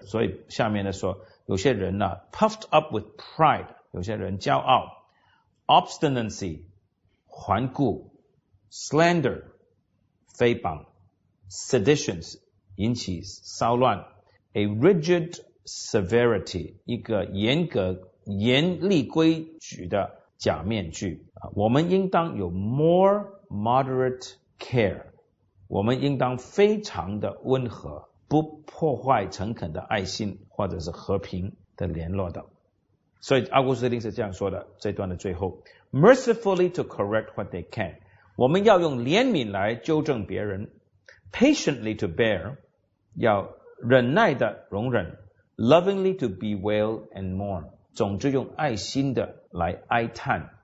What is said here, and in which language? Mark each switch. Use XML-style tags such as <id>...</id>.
<zh>所以下面呢说，有些人呢</zh> <en>puffed up with pride，</en> <zh>有些人骄傲 ，obstinacy， 顽固 ，slander， 诽谤 ，seditions， 引起骚乱 ，</zh> <en>a rigid severity，</en> <zh>一个严格严厉规矩的假面具。我们应当有</zh> <en>more moderate care。</en> <zh>我们应当非常的温和，不破坏诚恳的爱心或者是和平的联络的。所以奥古斯丁是这样说的，这段的最后</zh> <en>Mercifully to correct what they can，</en> <zh>我们要用怜悯来纠正别人</zh> <en>Patiently to bear，</en> <zh>要忍耐的容忍</zh> <en>Lovingly to bewail and mourn，</en> <zh>总之用爱心的来哀叹。</zh>